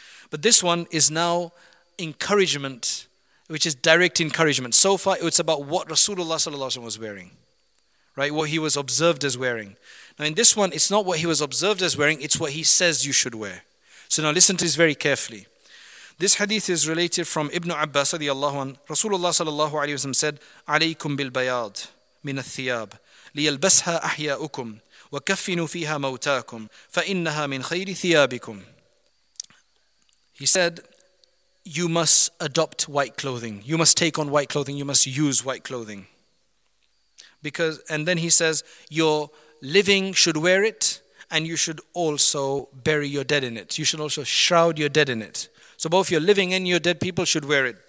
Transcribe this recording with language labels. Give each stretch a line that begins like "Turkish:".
English: But this one is now encouragement, which is direct encouragement. So far, it's about what Rasulullah ﷺ was wearing, right? What he was observed as wearing. Now, in this one, it's not what he was observed as wearing, it's what he says you should wear. So now listen to this very carefully. This hadith is related from Ibn Abbas radiallahu anhu. Rasulullah ﷺ said,
Arabic: عليكم بالبياض من الثياب ليلبسها أحياؤكم وكفنوا فيها موتاكم فإنها من خير ثيابكم.
English: He said, you must adopt white clothing. You must take on white clothing. You must use white clothing. Because, and then he says, your living should wear it, and you should also bury your dead in it. You should also shroud your dead in it. So both your living and your dead people should wear it.